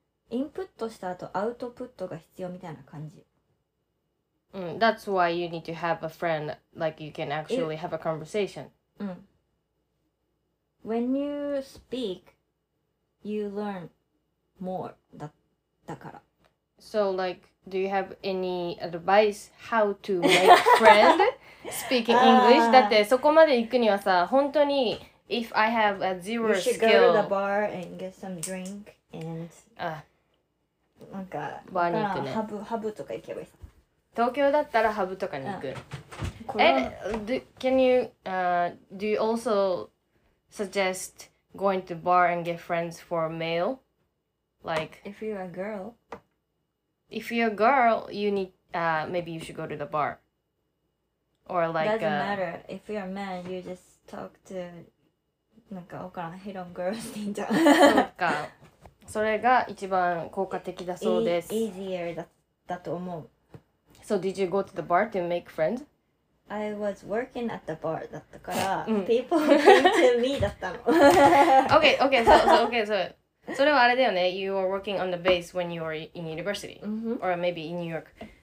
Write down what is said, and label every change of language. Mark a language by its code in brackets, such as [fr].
[ja] インプットした後アウトプットが必要みたいな感じ。 [en] That's why you need to have a friend, like you can actually have a conversation. When you speak, you learn more. [ja] だから。 [en] So like. Do you have any advice how to make friend speaking English? [ja] だってそこまで行くにはさ、本当に [en] if I have a zero skill... You should go to the bar and get some drink and... [ja] なんか、バーに行くね。ハブとか行けばいいさ。東京だったらハブとかに行く。 [en] Do you also suggest going to bar and get friends for a male? Like, if you're a girl. If you're a girl, maybe you should go to the bar. Or like, doesn't matter. If you're a man, you just talk to, [ja] なんか、わからん、ヘロンガールスティンじゃん。そうか。それが一番効果的だそうです。 Easier だと思う。 [en] So did you go to the bar to make friends? I was working at the bar [ja] だったから、 [en] people came to me だったの。 Okay, okay, so. [ja] それはあれだよね。 [en] You were working on the base when you were in university. Mm-hmm. Or maybe in New York.